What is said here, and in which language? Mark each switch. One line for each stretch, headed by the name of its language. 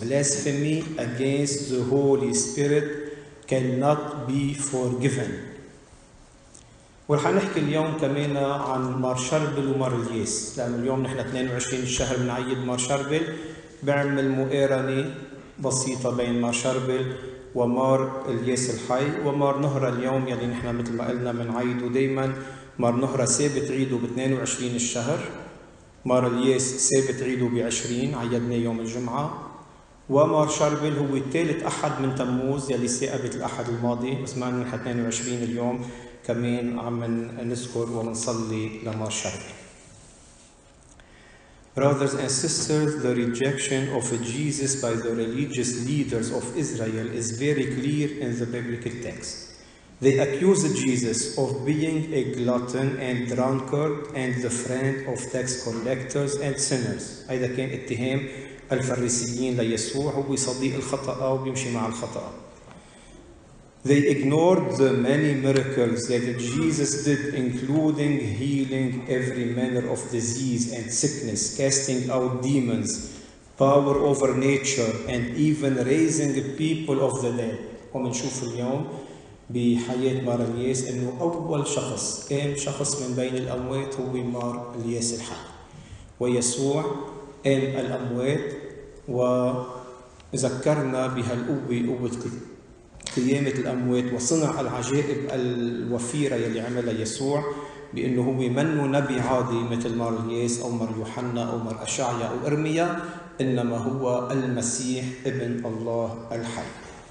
English: Blasphemy against the Holy Spirit cannot be forgiven.
Arabic: ورح نحكي اليوم كمان عن مار شربل ومار الياس، لأن اليوم نحن 22 الشهر بنعيد مار شربل. بعمل مقارنة بسيطة بين مار شربل ومار الياس الحي ومار نهرة اليوم، يعني نحن مثل ما قلنا منعيده دايما. مار نهرة ثابت عيده ب 22 الشهر، مار الياس ثابت عيده ب 20، عيدنا يوم الجمعة. ومار شربل هو الثالث أحد من تموز، يلي يعني ثابت الأحد الماضي، بس ما نحن 22 اليوم كمان عم نذكر ونصلي لمار شربل.
English: Brothers and sisters, the rejection of Jesus by the religious leaders of Israel is very clear in the biblical text. They accused Jesus of being a glutton and drunkard and the friend of tax collectors and sinners.
Arabic: هذا كان اتهام الفريسيين ليسوع، هو صديق الخطأ وبيمشي مع الخطأ.
English: They ignored the many miracles that Jesus did, including healing every manner of disease and sickness, casting out demons, power over nature, and even raising the people of the dead.
Arabic: ومنشوف اليوم بحياة مار الياس إنه أول شخص قام شخص من بين الأموات هو مار الياس الحي، ويسوع قام الأموات وذكرنا بهالقوة، قوة قيامة الأموات، وصنع العجائب الوفيرة يلي عملها يسوع، بأنه هو منه نبي عادي مثل مار الياس أو مار يوحنا أو مار أشعيا أو إرميا، إنما هو المسيح ابن الله الحي.